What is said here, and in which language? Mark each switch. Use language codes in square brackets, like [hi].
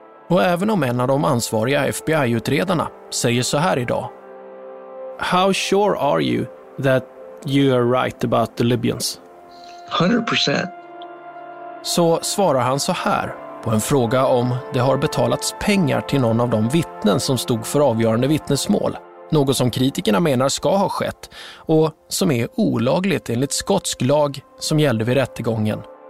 [sv] Och även om en av de ansvariga FBI-utredarna säger så här idag. [en] How sure are you that you are right about the Libyans? 100%. [sv] Så svarar han så här på en fråga om det har betalats pengar till någon av de vittnen som stod för avgörande vittnesmål. Något som kritikerna menar ska ha skett och som är olagligt enligt skotsk lag som gällde vid rättegången.